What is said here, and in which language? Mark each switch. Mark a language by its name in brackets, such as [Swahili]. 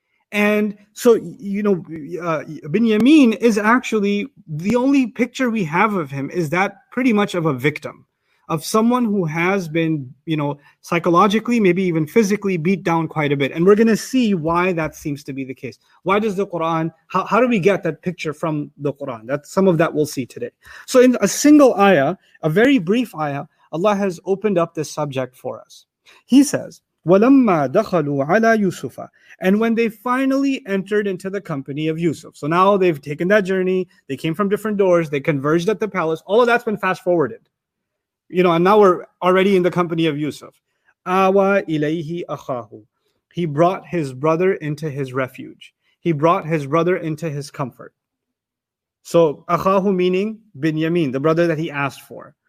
[English] And so, you know, Binyamin is actually, the only picture we have of him is that pretty much of a victim, of someone who has been, you know, psychologically, maybe even physically beat down quite a bit. And we're going to see why that seems to be the case. Why does the Quran, how do we get that picture from the Quran? That's some of that we'll see today. So in a single ayah, a very brief ayah, Allah has opened up this subject for us. He says, [Arabic] وَلَمَّا دَخَلُوا عَلَى يُوسُفَ. [English] And when they finally entered into the company of Yusuf. So now they've taken that journey. They came from different doors. They converged at the palace. All of that's been fast forwarded. You know, and now we're already in the company of Yusuf. [Arabic] Awa ilayhi akhahu. [English] He brought his brother into his refuge. He brought his brother into his comfort. So, akhahu meaning Binyamin, the brother that he asked for.